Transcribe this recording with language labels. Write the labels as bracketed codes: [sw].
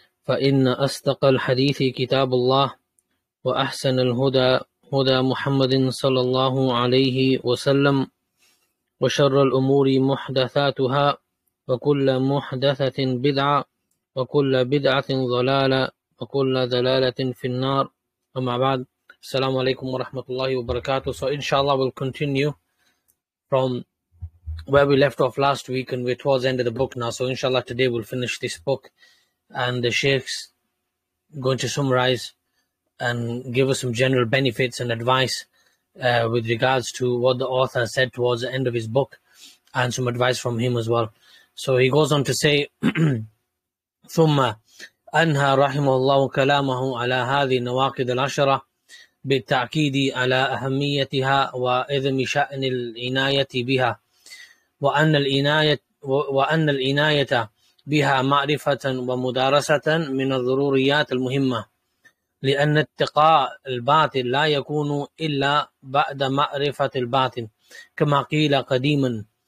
[ar] فإن أصدق الحديث كتاب الله وأحسن الهدى هدى محمد صلى الله عليه وسلم وشر الأمور محدثاتها وكل محدثة بدعة وكل بدعة ضلالة وكل ضلالة في النار أما بعد السلام عليكم ورحمة الله وبركاته. [en] So inshallah we'll continue from where we left off last week and we're towards the end of the book now. So inshallah today we'll finish this book. And the Shaykh's going to summarize and give us some general benefits and advice with regards to what the author said towards the end of his book and some advice from him as well. So he goes on to say, [ar] ثُمَّ أَنْهَا رَحِمَ اللَّهُ كَلَامَهُ عَلَىٰ هَذِي النَّوَاقِدِ الْعَشَرَةِ بِالتَّعْكِيدِ عَلَىٰ أَهَمِّيَّتِهَا وَإِذْمِ شَأْنِ الْعِنَايَةِ بِهَا وَأَنَّ الْعِنَايَةَ بها معرفة ومدارسة من الضروريات المهمة لأن اتقاء الباطل لا يكون إلا بعد معرفة الباطل كما قيل قديما